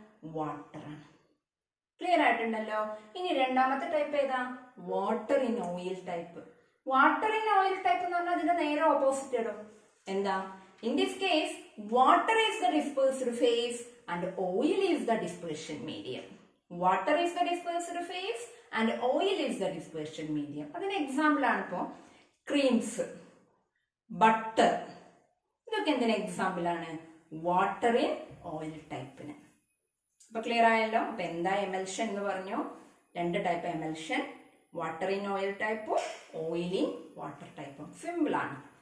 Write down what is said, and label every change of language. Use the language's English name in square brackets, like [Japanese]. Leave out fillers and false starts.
[Malayalam] വാട്ടറാണ്. Clear ആയിട്ടുണ്ടല്ലോ. ഇനി രണ്ടാമത്തെ type ഏതാ? Water in oil type. Water in oil type എന്ന് പറഞ്ഞാൽ അതിന്റെ നേരെ ഓപ്പോസിറ്റ് ഇടും. എന്താ? [English] In this case water is the dispersed phase and oil is the dispersion medium. Water is the dispersed phase and oil is the dispersion medium. [Malayalam] അതിന് example ആണ് ഇപ്പോ creams, butter. ഇതൊക്കെ എന്തിന് എക്സാമ്പിൾ ആണ്? Water in oil ടൈപ്പിന്. അപ്പൊ clear ആയല്ലോ. അപ്പൊ എന്താ എമൽഷൻ എന്ന് പറഞ്ഞു? രണ്ട് type emulsion, water in oil ടൈപ്പും ഓയിലിൻ വാട്ടർ ടൈപ്പും. സിമ്പിൾ ആണ്.